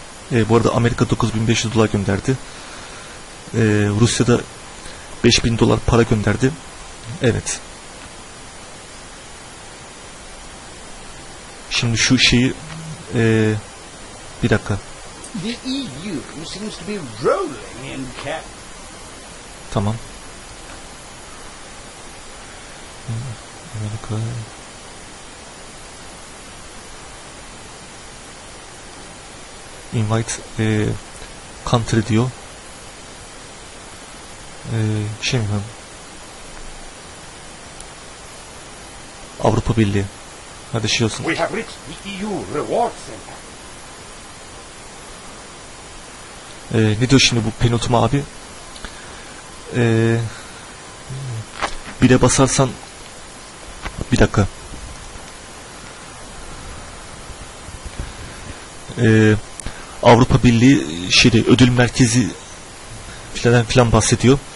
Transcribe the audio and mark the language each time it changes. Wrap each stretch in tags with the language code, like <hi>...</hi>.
<tr>bu arada Amerika 9500 dolar gönderdi. Rusya'da 5000 dolar para gönderdi. Evet. Şimdi şu şeyi bir dakika.</tr> <en>The EU seems to be rolling in cap.</en> <tr>Tamam. Amerika.</tr> <en>Invite country</en> <tr>diyor. Şey mi? Avrupa Birliği. Hadi şey olsun.</tr> <en>We have reached the EU reward center.</en> <tr>Ne diyor şimdi bu penultima abi? Bire basarsan bir dakika. Avrupa Birliği şeyde, ödül merkezi filan filan bahsediyor.</tr>